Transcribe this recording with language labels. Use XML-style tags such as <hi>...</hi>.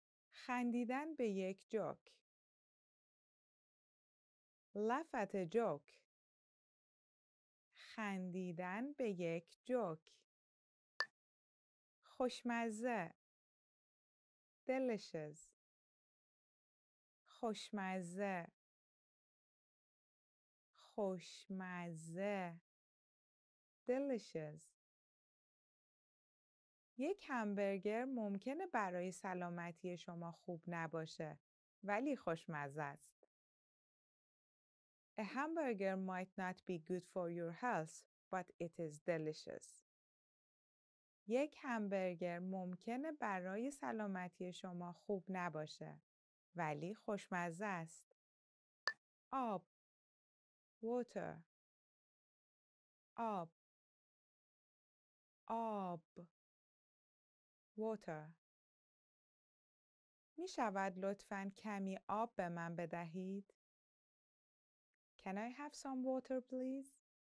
<fa>خندیدن به یک joke</fa> <en>laugh at a joke</en> <fa>خندیدن به یک joke خوشمزه delicious خوشمزه خوشمزه delicious یک همبرگر ممکنه برای سلامتی شما خوب نباشه ولی خوشمزه است.</fa> <en>A hamburger might not be good for your health, but it is delicious.</en> <fa>یک همبرگر ممکنه برای سلامتی شما خوب نباشه ولی خوشمزه است. آب water آب آب water می شود لطفاً کمی آب به من بدهید؟</fa> <en>Can I have some water please?</en>